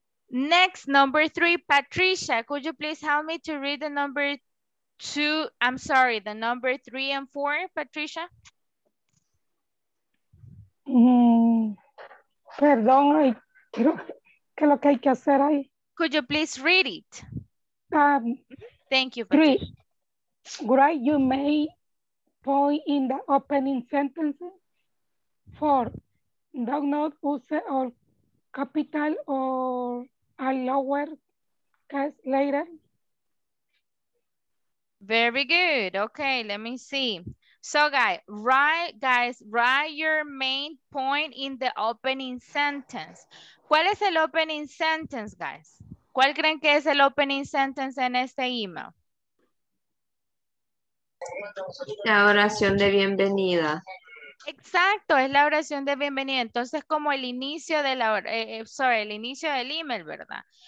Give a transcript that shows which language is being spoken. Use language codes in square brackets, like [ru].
[en] Next, number three, Patricia, could you please help me to read the number two? I'm sorry, the number three and four, Patricia? [es] Perdón, ¿qué es lo que hay que hacer ahí? [en] Could you please read it? Thank you. Three. Great. You may point in the opening sentences. Four. Do not use or capital or a lower case later. Very good. Okay. Let me see. So, guys, write your main point in the opening sentence. [es] ¿Cuál es el opening sentence, guys? ¿Cuál creen que es el opening sentence en este email? La oración de bienvenida. Exacto, es la oración de bienvenida. Entonces, como el inicio de la, el inicio del email, ¿verdad?